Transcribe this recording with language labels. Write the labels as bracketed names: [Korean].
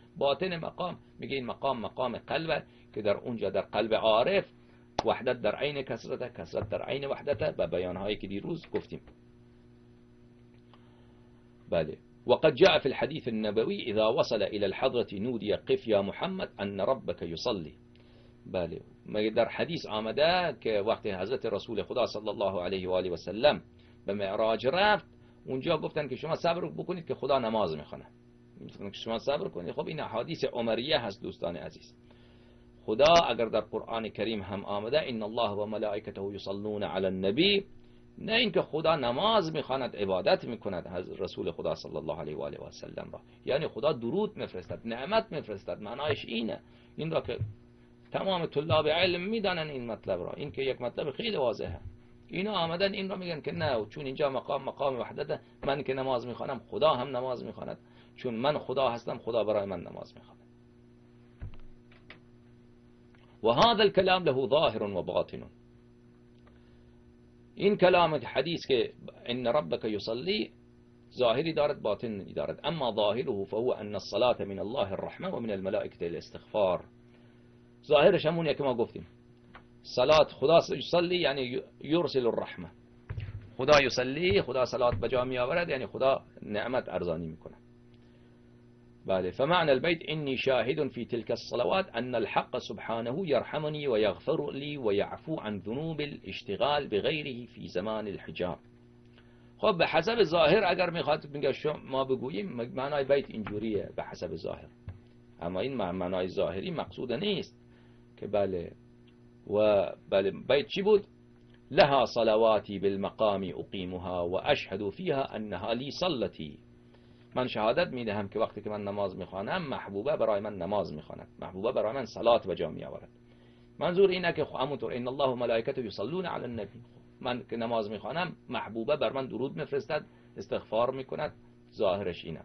[Persian] باطن مقام، ميقول مقام قلب، كدر أنجا در قلب عارف، وحدة در عين كثرة، كثرة در عين وحدة، ببيان هاي كديروز قفتم. [Arabic] بله، وقد جاء في الحديث النبوي إذا وصل إلى الحضرة نودي قف يا محمد أن ربك يصلي. [Persian] بله، در حدیث آمده که وقتی حضرت رسول خدا صلی الله علیه و آله و سلم به معراج رفت، اونجا گفتن که شما صبر بکنید که خدا نماز میخونه، میگن که شما صبر کنید. خب این حدیث عمریه هست دوستان عزیز. خدا اگر در قرآن کریم هم آمده [Arabic] ان الله و ملائکته یصلون علی النبی، [Persian] نه اینکه خدا نماز میخواند، عبادت میکند حضرت رسول خدا صلی الله علیه و آله و سلم را، یعنی خدا درود میفرستد، نعمت میفرستد، معنایش اینه. این را که تمام طلاب علم میدانن این مطلب را، این که یک مطلب خیلی واضحه. اینا آمدن این را میگن که نه، چون اینجا مقام مقام وحدت، من که نماز میخوانم خدا هم نماز میخواند، چون من خدا هستم خدا برای من نماز میخواند. [Arabic] و هذا الكلام له ظاهر و باطن. [Persian] این کلام حدیث که [Arabic] ان ربک یصلی [Persian] ظاهری دارد باطنی دارد، اما [Arabic] ظاهره فهو ان الصلاه من الله الرحمه ومن الملائكه الاستغفار. [Persian] ظاهرش همونیه که ما گفتیم، صلات خدا یصلی یعنی یرسل الرحمه، خدا یصلی خدا صلات بجا می آورد، یعنی خدا نعمت ارزانی میکنه. [Arabic] بله، فمعنى البيت اني شاهد في تلك الصلوات ان الحق سبحانه يرحمني ويغفر لي ويعفو عن ذنوب الاشتغال بغيره في زمان الحجاب. [Persian] خب بحسب ظاهر اگر میخواد بگه ما بگوییم معنای بیت اینجوریه بحسب ظاهر، اما این معنای ظاهری مقصود نیست که بله. و بله بیت چی بود؟ [Arabic] لها صلواتي بالمقام اقيمها واشهد فيها انها لي صلتي. [Persian] من شهادت میدهم که وقتی که من نماز میخوانم محبوبه برای من نماز میخواند، محبوبه برای من صلات به جا میآورد. منظور اینه که همونطور [Arabic] ان الله و ملائکته یصلون علی النبی، [Persian] من که نماز میخوانم محبوبه بر من درود میفرستد استغفار میکند، ظاهرش اینه.